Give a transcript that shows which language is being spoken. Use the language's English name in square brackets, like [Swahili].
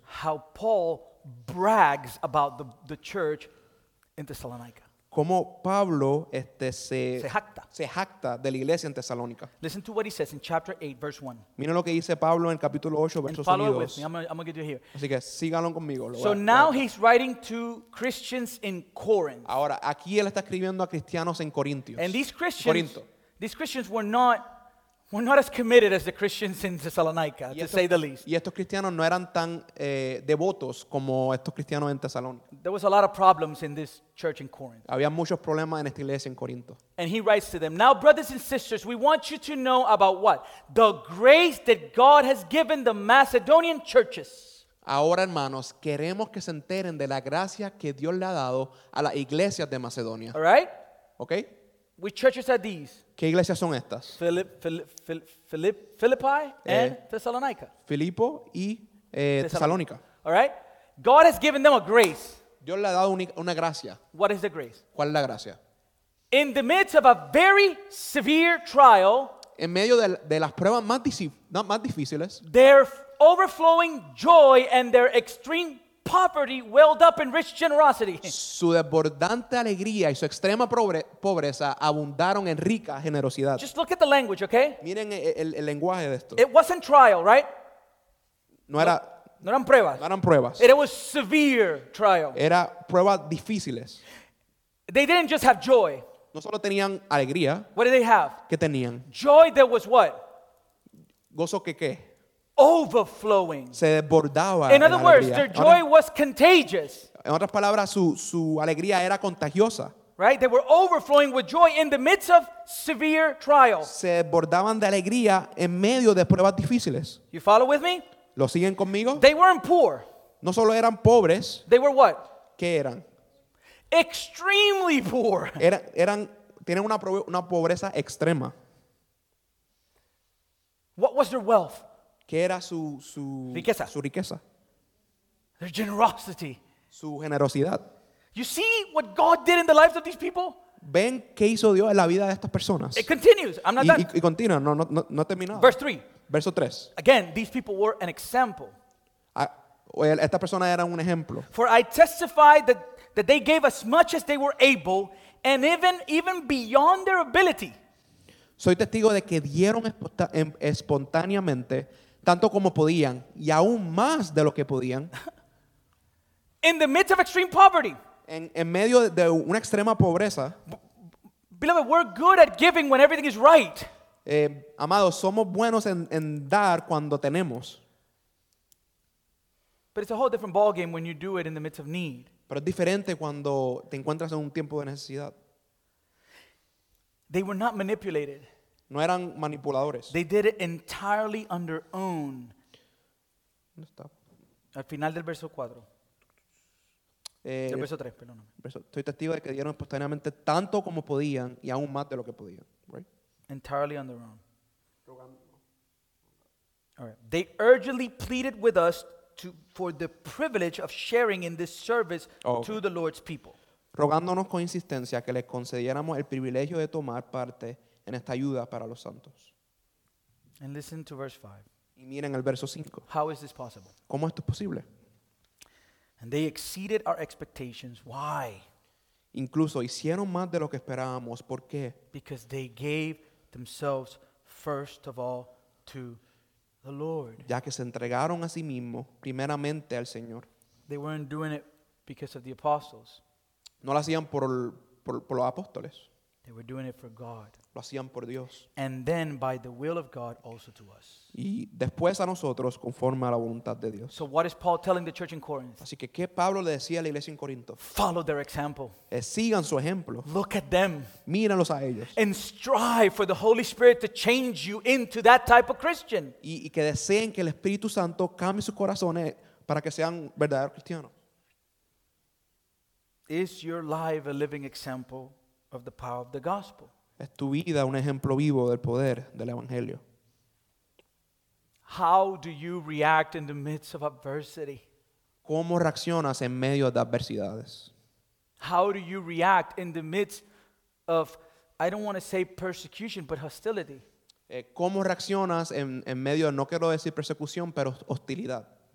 [English] how Paul brags about the church in Thessalonica. [Spanish] Como Pablo se jacta de la iglesia en Tesalónica. [English] Listen to what he says in chapter 8, verse 1. [Spanish] Miren lo que dice Pablo en capítulo 8, verso 2. [English] And follow with me. I'm gonna get you here. [Spanish] Así que síganlo conmigo. [English] So now he's writing to Christians in Corinth. [Spanish] Ahora aquí él está escribiendo a cristianos en Corintios. [English] And these Christians were not as committed as the Christians in Thessalonica, [Spanish] y [English] to say the least. [Spanish] Y estos cristianos no eran tan devotos como estos cristianos en Tesalónica. [English] There was a lot of problems in this church in Corinth. [Spanish] Había muchos problemas en esta iglesia en Corinto. [English] And he writes to them, now brothers and sisters, we want you to know about what? The grace that God has given the Macedonian churches. [Spanish] Ahora, hermanos, queremos que se enteren de la gracia que Dios le ha dado a las iglesias de Macedonia. [English] All right? Okay? Which churches are these? [Spanish] ¿Qué iglesias son estas? [English] Philippi and Thessalonica. [Spanish] Filipo y Tesalónica. [English] All right? God has given them a grace. [Spanish] Dios le ha dado una gracia. [English] What is the grace? [Spanish] ¿Cuál es la gracia? [English] In the midst of a very severe trial, [Spanish] en medio de las pruebas más difíciles, [English] their overflowing joy and their extreme poverty welled up in rich generosity. [Spanish] Su desbordante alegría y su extrema pobreza abundaron en rica generosidad. [English] Just look at the language, okay? [Spanish] Miren el lenguaje de esto. [English] It wasn't trial, right? [Spanish] No eran pruebas. No eran pruebas. [English] It was severe trial. [Spanish] Era pruebas difíciles. [English] They didn't just have joy. [Spanish] No solo tenían alegría. [English] What did they have? [Spanish] ¿Qué tenían? [English] Joy that was what? [Spanish] Gozo que qué? [English] Overflowing. [Spanish] Se desbordaba. [English] In other words, their joy was contagious. [Spanish] En otras palabras, su alegría era contagiosa. [English] Right? They were overflowing with joy in the midst of severe trial. [Spanish] Se desbordaban de alegría en medio de pruebas difíciles. [English] You follow with me? [Spanish] ¿Lo siguen conmigo? [English] They weren't poor. [Spanish] No solo eran pobres. [English] They were what? [Spanish] ¿Qué eran? [English] Extremely poor. [Spanish] Tienen una pobreza extrema. [English] What was their wealth? [Spanish] ¿Qué era su riqueza? Su riqueza. [English] Their generosity. [Spanish] Su generosidad. [English] You see what God did in the lives of these people? [Spanish] ¿Ven qué hizo Dios en la vida de estas personas? [English] It continues. I'm not done. [Spanish] Y continúa. No he terminado. [English] Verse 3. [Spanish] Verso 3. [English] Again, these people were an example. [Spanish] Estas personas eran un ejemplo. [English] For I testify that they gave as much as they were able and even beyond their ability. [Spanish] Soy testigo de que dieron espontáneamente tanto como podían y aún más de lo que podían. [English] In the midst of extreme poverty. [Spanish] En medio de una extrema pobreza. [English] Beloved, we're good at giving when everything is right. [Spanish] Amados, somos buenos en dar cuando tenemos. [English] But it's a whole different ballgame when you do it in the midst of need. [Spanish] Pero es diferente cuando te encuentras en un tiempo de necesidad. [English] They were not manipulated. [Spanish] No eran manipuladores. [English] They did it entirely on their own. [Spanish] ¿Dónde está? Al final del verso 4. Del verso 3, perdóname. Estoy testigo de que dieron espontáneamente tanto como podían y aún más de lo que podían. [English] Right? Entirely on their own. All right. They urgently pleaded with us for the privilege of sharing in this service to the Lord's people. [Spanish] Rogándonos con insistencia que les concediéramos el privilegio de tomar parte en esta ayuda para los santos. [English] And listen to verse 5. [Spanish] Y miren el verso 5. [English] How is this possible? [Spanish] ¿Cómo esto es posible? [English] And they exceeded our expectations. Why? [Spanish] Incluso hicieron más de lo que esperábamos. ¿Por qué? [English] Because they gave themselves first of all to the Lord. [Spanish] Ya que se entregaron a sí mismo primeramente al Señor. [English] They weren't doing it because of the apostles. [Spanish] No lo hacían por los apóstoles. [English] They were doing it for God. [Spanish] Lo hacían por Dios. [English] And then by the will of God also to us. [Spanish] Y después a nosotros conforme a la voluntad de Dios. [English] So what is Paul telling the church in Corinth? [Spanish] Así que qué Pablo le decía a la iglesia en Corinto. [English] Follow their example. [Spanish] Sigan su ejemplo. [English] Look at them. [Spanish] Míralos a ellos. [English] And strive for the Holy Spirit to change you into that type of Christian. [Spanish] Y que deseen que el Espíritu Santo cambie sus corazones para que sean verdaderos cristianos. [English] Is your life a living example of the power of the gospel? [Spanish] Es tu vida un ejemplo vivo del poder del evangelio. [English] How do you react in the midst of adversity? [Spanish] ¿Cómo reaccionas en medio de adversidades? [English] How do you react in the midst of, I don't want to say persecution, but hostility? [Spanish] ¿Cómo reaccionas en medio, no quiero decir persecución, pero hostilidad?